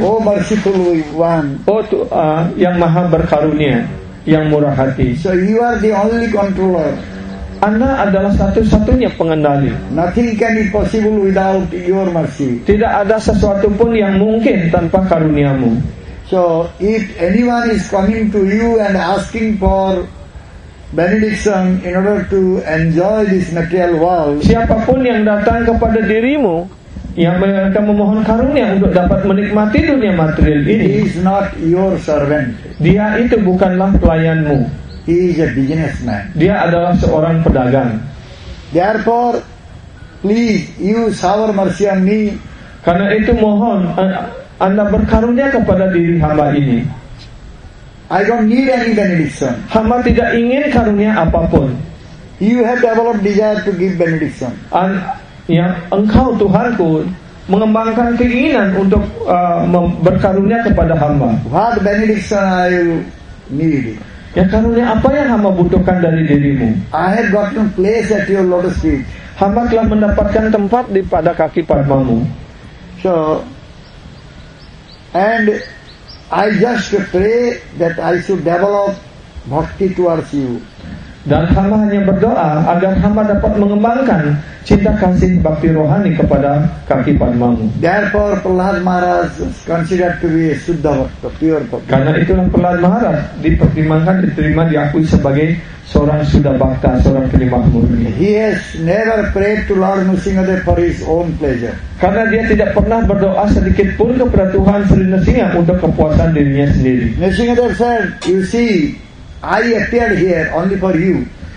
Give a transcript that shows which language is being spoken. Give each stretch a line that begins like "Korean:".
English: Oh merciful one.
Indonesian: Oh yang maha berkarunia, yang murah hati.
English: So you are the only controller.
Indonesian: Anda adalah satu-satunya pengendali.
English: Nothing can be possible without your mercy.
Indonesian: Tidak ada sesuatu pun yang mungkin tanpa karuniamu.
English: So if anyone is coming to you and asking for benediction in order to enjoy this material world,
Indonesian: siapapun yang datang kepada dirimu yang mereka memohon karunia untuk dapat menikmati dunia material ini,
English: he is not your servant.
Indonesian: Dia itu bukanlah pelayanmu.
English: He is a businessman.
Indonesian: Dia adalah seorang pedagang.
English: Therefore, please you shower mercy on me.
Indonesian: Karena itu mohon Anda berkarunia kepada diri hamba ini.
English: I don't need any benediction.
Indonesian: Hamba tidak ingin karunia apapun.
English: You have developed desire to give benediction.
Indonesian: Engkau Tuhanku mengembangkan keinginan untuk berkarunia kepada hamba.
English: What benediction I need?
Indonesian: Ya, karunia apa yang hamba butuhkan dari dirimu?
English: I have gotten place at your lotus feet.
Indonesian: Hamba telah mendapatkan tempat di pada kaki padmamu.
English: So, and I just pray that I should develop bhakti towards you.
Indonesian: Dan hamba hanya berdoa agar hamba dapat mengembangkan cinta kasih bhakti rohani kepada kaki padmamu.
English: Therefore, Prahlad Maharaj considered to be Shuddha Bhakta, pure Bhakta.
Indonesian: Karena itulah Prahlad Maharaj dipertimbangkan, diterima, diakui sebagai seorang Shuddha Bhakta, seorang penyembah murni.
English: He has never prayed to Lord Nrisimhadev for his own pleasure.
Indonesian: Karena dia tidak pernah berdoa sedikit pun kepada Tuhan Sri Nrisimha untuk kepuasan dirinya sendiri.
English: Nrisimhadev said, you see, I appeared here only for you.